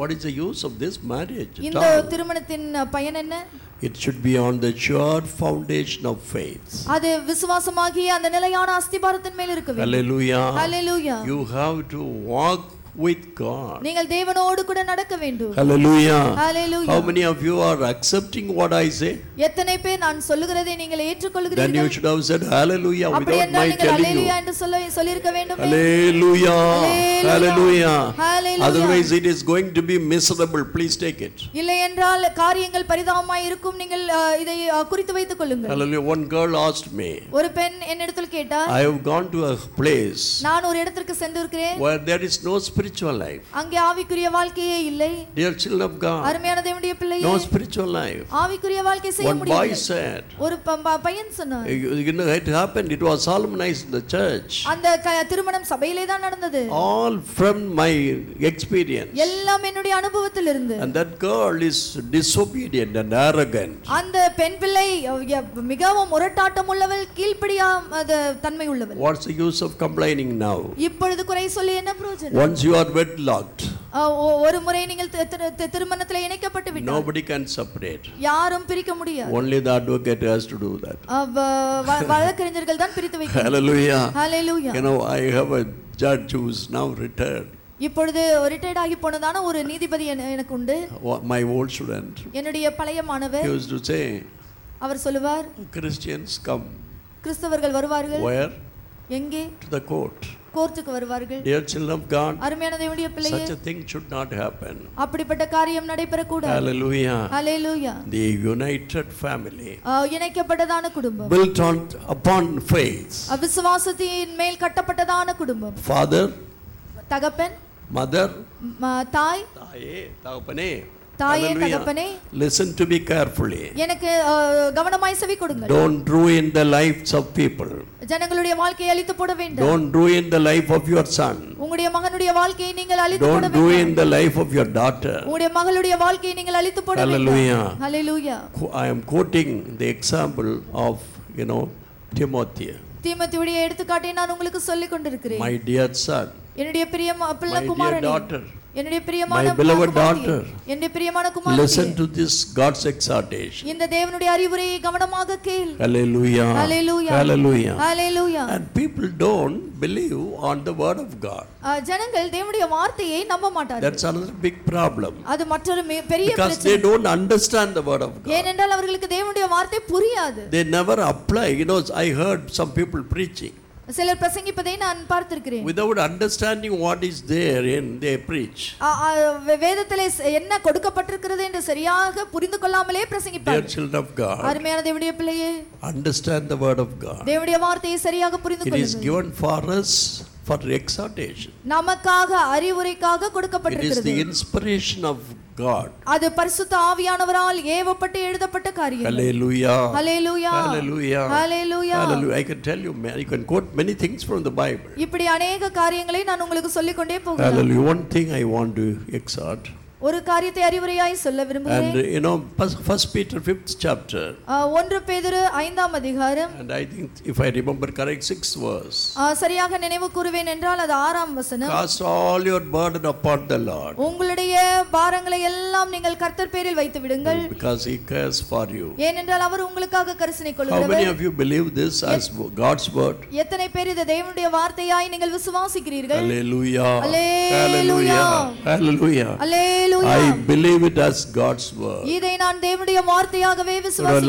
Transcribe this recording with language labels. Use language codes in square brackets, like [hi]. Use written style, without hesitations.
[en] What is the use of this marriage? [ta] இந்த திருமணத்தின் பயன் என்ன? [en] It should be on the sure foundation of faith. [ta] அது விசுவாசமாகிய அந்த நிலையான அஸ்திபாரத்தின் மேல் இருக்க வேண்டும். Hallelujah. [en] Hallelujah. You have to walk with God. [ta] நீங்கள் தேவனோடு கூட நடக்க வேண்டும். [en] Hallelujah. Hallelujah. How many of you are accepting what I say? [ta] எத்தனை பேர் நான் சொல்லுகிறதை நீங்கள் ஏற்றுக்கொள்கிறீர்கள்? [en] Then you should have said hallelujah without my telling you. [ta] Hallelujah என்று சொல்லியிருக்க வேண்டும். [en] Hallelujah. Hallelujah. Otherwise it is going to be miserable. Please take it. [ta] இல்லை என்றால் காரியங்கள் பரிதாபமாய் இருக்கும். நீங்கள் இதை குறித்து வைத்துக் கொள்ளுங்கள். [en] Hallelujah. One girl asked me. [ta] ஒரு பெண் என்னிடத்தில் கேட்டார். [en] I have gone to a place. [ta] நான் ஒரு இடத்துக்கு சென்றிருக்கிறேன். [en] Where there is no spiritual life. [ta] அங்கே ஆவிக்குரிய வாழ்க்கையே இல்லை. [en] Dear children of God. [ta] அருமையான தேவனுடைய பிள்ளையே. [en] No spiritual life. [ta] ஆவிக்குரிய வாழ்க்கை செய்ய முடியாது. [en] One boy said. [ta] ஒரு பையன் சொன்னார். [en] It happened. It was solemnized in the church. [ta] அந்த திருமணம் சபையிலே தான் நடந்தது. [en] All from my experience. [ta] எல்லாம் என்னுடைய அனுபவத்திலிருந்து. [en] And that girl is disobedient and arrogant. [ta] அந்த பெண் பிள்ளை மிகவும் முரட்டாட்டம் உள்ளவள், கீழ்ப்படியாத தன்மை உள்ளவள். [en] What's the use of complaining now? [ta] இப்பொழுது குறை சொல்லி என்ன பிரயோஜனம்? [en] Once you are wedlocked. [ta] ஒரு முறை நீங்கள் திருமணத்தில் இணைக்கப்பட்டு விட்டால் [en] nobody can separate. [ta] யாரும் பிரிக்க முடியாது. [en] Only the advocate has to do that. [ta] வழக்கறிஞர்கள் தான் பிரித்து வைக்க. [en] Hallelujah. Hallelujah. You know, I have a judge who is now retired. [ta] இப்பொழுது ரிட்டையர்ட் ஆகி போனதான ஒரு நீதிபதி எனக்கு உண்டு. [en] My old student. [ta] என்னுடைய பழைய மாணவர். [en] He used to say. [ta] அவர் சொல்வார். [en] Christians come. [ta] கிறிஸ்தவர்கள் வருவார்கள். [en] Where? [ta] எங்கே? [en] To the court. [ta] கோர்ட்டுக்கு வருவார்கள். [en] Dear children of God. [ta] அருமையான தேவனுடைய பிள்ளையே. [en] Such a thing should not happen. [ta] அப்படிப்பட்ட காரியம் நடைபெற கூடாது. [en] Hallelujah. Hallelujah. The united family. [ta] இணைக்கப்பட்டதான குடும்பம். [en] Built on upon faith. [ta] அவிசுவாசத்தின் மேல் கட்டப்பட்டதான குடும்பம். [en] Father. [ta] தகப்பன். [en] Mother. [ta] தாய். தாயே தகப்பனே. தாயே தகப்பனே. [en] Listen to me carefully. [ta] எனக்கு கவனமாய் செவி கொடுங்கள். [en] Don't ruin the lives of people. [ta] ஜனங்களுடைய வாழ்க்கையை அழித்து போட வேண்டும். [en] Don't ruin the life of your son. [ta] உங்களுடைய மகனுடைய வாழ்க்கையை நீங்கள் அழித்து போட வேண்டும். [en] Don't ruin the life of your daughter. [ta] உங்களுடைய மகளுடைய வாழ்க்கையை நீங்கள் அழித்து போட வேண்டும். [en] Hallelujah. Hallelujah. I am quoting the example of, you know, Timothy. [ta] தீமோத்தேயுடைய எடுத்துக்காட்டை நான் உங்களுக்கு சொல்லிக் கொண்டிருக்கிறேன். [en] My dear son. [ta] என்னுடைய பிரிய பிள்ளை குமாரனே. [en] My dear daughter. [ta] என்னுடைய பிரியமான குமாரி. [en] My beloved daughter. [ta] என்னுடைய பிரியமான குமாரி. [en] Listen to this God's exhortation. [ta] இந்த தேவனுடைய அறிவுரையை கவனமாக கேள். [en] Hallelujah. Hallelujah. Hallelujah. Hallelujah. And people don't believe on the word of God. [ta] ஜனங்கள் தேவனுடைய வார்த்தையை நம்ப மாட்டார்கள். [en] That's another big problem. [ta] அது மற்றொரு பெரிய பிரச்சனை. [en] Because they don't understand the word of God. [ta] ஏனென்றால் அவர்களுக்கு தேவனுடைய வார்த்தை புரியாது. [en] They never apply. You know, I heard some people preaching. [ta] சிலர் பிரசங்கிப்பதை நான் பார்த்திருக்கிறேன். [en] Without understanding what is there in they preach. [ta] வேதத்திலே என்ன கொடுக்கப்பட்டிருக்கிறது என்று சரியாக புரிந்து கொள்ளாமலே பிரசங்கிப்பார்கள். [en] Dear children of God. [ta] அருமையான தேவனுடைய பிள்ளையே. [en] Understand the word of God. [ta] தேவனுடைய வார்த்தையை சரியாக புரிந்து கொள்ள. [en] It is given for us for exhortation. [ta] நமக்காக அறிவுரைக்காக கொடுக்கப்பட்டிருக்கிறது. [en] It is the inspiration of God. [ta] அது பரிசுத்த ஆவியானவரால் ஏவப்பட்டு எழுதப்பட்ட காரியம். [en] Hallelujah. Hallelujah. Hallelujah. Hallelujah. Hallelujah. I can tell you, you can quote many things from the Bible. [ta] இப்படி अनेक காரியங்களை நான் உங்களுக்கு சொல்லிக் கொண்டே போகிறேன். [en] Hallelujah. One thing I want to exhort. [ta] ஒரு காரியத்தை அறிவுரையாய் சொல்ல விரும்புகிறேன். [en] And you know, first Peter 5th chapter. [ta] ஒன்று பேதுரு 5ஆம் அதிகாரம். [en] And I think if I remember correct 6th verse. [ta] சரியாக நினைவு கூறுவேன் என்றால் அது 6ஆம் வசனம். [en] Cast all your burden upon the Lord. [ta] உங்களுடைய பாரங்களை எல்லாம் நீங்கள் கர்த்தர் பேரில் வைத்து விடுங்கள். [en] Because he cares for you. [ta] ஏனென்றால் அவர் உங்களுக்காக கரிசனை கொள்கிறவர். [en] How many of you believe this as God's word? [ta] எத்தனை பேர் இதை தேவனுடைய வார்த்தையாய் நீங்கள் விசுவாசிக்கிறீர்கள்? [en] Hallelujah. Hallelujah. Hallelujah. Hallelujah. I believe it as God's word. [ta] இதை நான் தேவனுடைய வார்த்தையாகவே விசுவாசிக்கிறேன்.